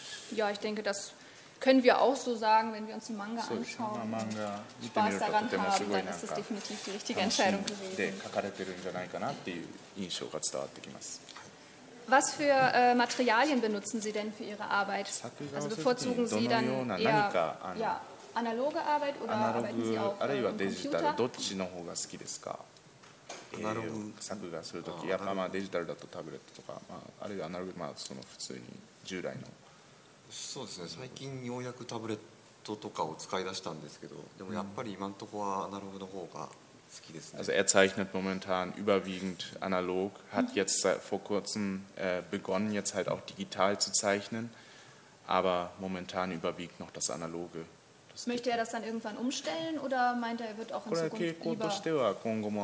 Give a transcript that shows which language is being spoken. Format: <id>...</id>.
<de>Ja, ich denke, das können wir auch so sagen, wenn wir uns einen Manga anschauen, Spaß daran haben, dann ist das definitiv die richtige Entscheidung gewesen. Was für Materialien benutzen Sie denn für Ihre Arbeit? Also bevorzugen Sie dann eher analoge Arbeit oder arbeiten Sie auch am Computer?</de> <ja>アナログ作画するとき、やっぱまあデジタルだとタブレットとか、まああるいはアナログまあその普通に従来のそうですね。最近ようやくタブレットとかを使い出したんですけど、でもやっぱり今のところはアナログの方が</ja> <de>Also er zeichnet momentan überwiegend analog, hat jetzt vor kurzem begonnen, jetzt halt auch digital zu zeichnen, aber momentan überwiegt noch das Analoge. Das möchte er das dann irgendwann umstellen oder meint er, er wird auch in Zukunft lieber</de>